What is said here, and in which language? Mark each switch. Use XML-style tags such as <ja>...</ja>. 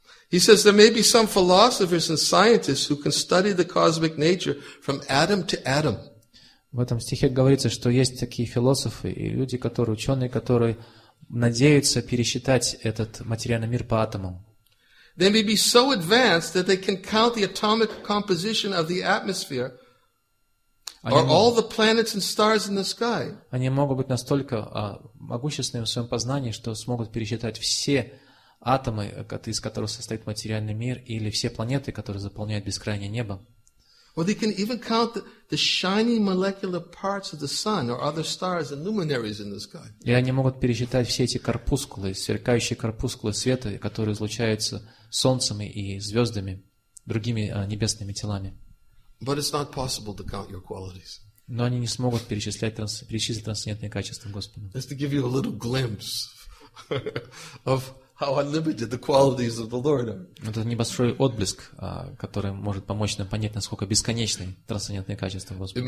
<en>He says there may be some philosophers and scientists who can study the cosmic nature from atom to atom.</en> <ru>В этом стихе говорится, что есть такие философы и люди, которые ученые, которые надеются пересчитать этот материальный мир по атомам.</ru> <en>They may be so advanced that they can count the atomic composition of the atmosphere. Or all the planets and stars in the sky.</en> <ru>Они могут быть настолько могущественными в своем познании, что смогут пересчитать все атомы, из которых состоит материальный мир, или все планеты, которые заполняют бескрайнее небо.</ru> <en>Or they can even count the shiny molecular parts of the sun or other stars and luminaries in the sky.</en> <ru>И они могут пересчитать все эти корпускулы, сверкающие корпускулы света, которые излучаются солнцем и звездами, другими небесными телами.</ru> <en>But it's not possible to count your qualities.</en> <ru>Но они не смогут перечислить трансцендентные качества Господа.</ru> <en>Just to give you a little glimpse of how unlimited the qualities of the Lord are.</en> <ru>Это небольшой отблеск, который может помочь нам понять, насколько бесконечны трансцендентные качества Господа.</ru>